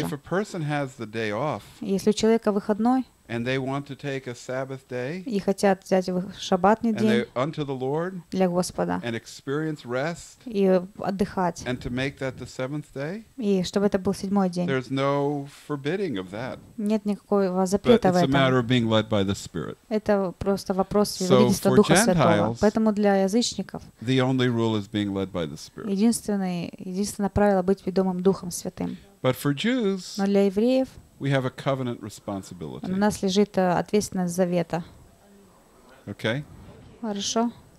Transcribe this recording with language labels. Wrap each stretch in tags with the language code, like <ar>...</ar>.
<ru>Если у человека выходной,</ru> <en>and they want to take a Sabbath day,</en> <ru>и хотят взять шабатный день,</ru> <en>and they, unto the Lord,</en> <ru>для Господа,</ru> <en>and experience rest,</en> <ru>и отдыхать,</ru> <en>and to make that the seventh day,</en> <ru>и чтобы это был седьмой день.</ru> <en>There's no forbidding of that.</en> <ru>Нет никакого запрета в этом.</ru> <en>But it's a matter of being led by the Spirit.</en> <ru>Это просто вопрос ведения Духа Святого. Поэтому для язычников</ru> <en>the only rule is being led by the Spirit.</en> <ru>Единственное правило — быть ведомым Духом Святым.</ru> <en>But for Jews,</en> <ru>но для евреев,</ru> <en>we have a covenant responsibility.</en> <ru>У нас лежит ответственность завета.</ru> <en>Okay.</en> <ru>Хорошо.</ru>